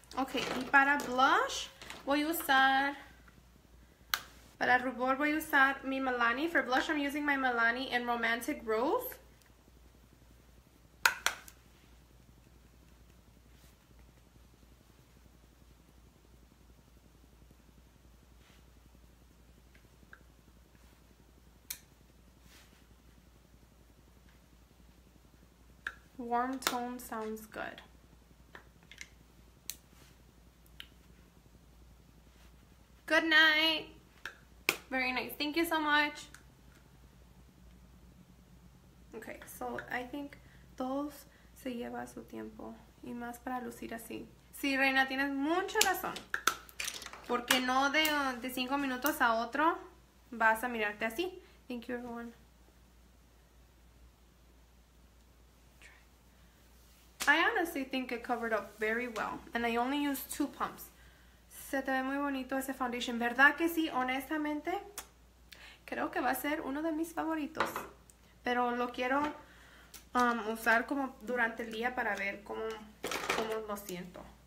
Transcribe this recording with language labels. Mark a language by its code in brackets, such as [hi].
[es] Okay, y para blush voy a usar, para rubor voy a usar mi Milani. [en] For blush, I'm using my Milani in Romantic Rose. Warm tone sounds good. Good night. Very nice. Thank you so much. Okay, so I think [es] todos se lleva su tiempo. Y más para lucir así. Sí, Reina, tienes mucha razón. Porque no de 5 minutos a otro vas a mirarte así. [en] Thank you, everyone. I honestly think it covered up very well. And I only used 2 pumps. [es] Se te ve muy bonito ese foundation. ¿Verdad que sí? Honestamente, creo que va a ser uno de mis favoritos. Pero lo quiero usar como durante el día para ver cómo lo siento.